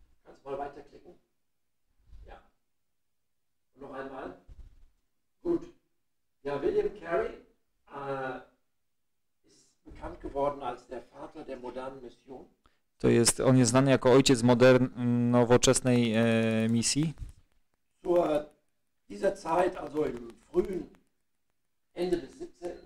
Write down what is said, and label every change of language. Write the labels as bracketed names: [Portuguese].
[German] Kannst du mal weiterklicken? Ja. Und noch einmal. Gut. Ja, William Carey ist bekannt geworden als der Vater der modernen Mission. [Polish] To jest, on jest znany jako ojciec nowoczesnej misji. [German] Zur dieser Zeit, also im frühen Ende des 17.